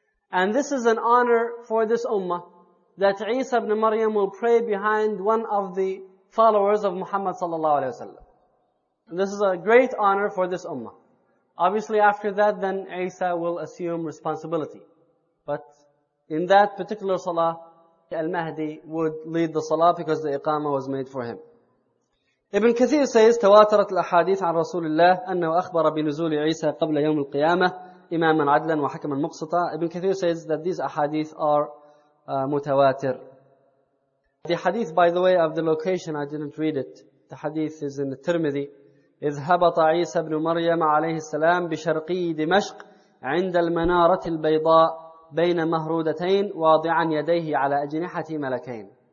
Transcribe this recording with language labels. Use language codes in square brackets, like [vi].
[en] And this is an honor for this ummah that Isa ibn Maryam will pray behind one of the followers of Muhammad sallallahu alayhi wasallam. This is a great honor for this ummah. Obviously after that then Isa will assume responsibility. But in that particular salah, al-Mahdi would lead the salah because the iqama was made for him. [ar] Ibn Kathir says, تواترت الأحاديث عن رسول الله أنه أخبر بنزول عيسى قبل يوم القيامة إماما عدلا وحكما مقسطا. [en] Ibn Kathir says that these ahadith are متواتر. The hadith, by the way, of the location, I didn't read it. The hadith is in the Tirmidhi. [ar] إذ هبط عيسى بن مريم عليه السلام بشرقي دمشق عند المنارة البيضاء بين مهرودتين واضعا يديه على أجنحة ملكين.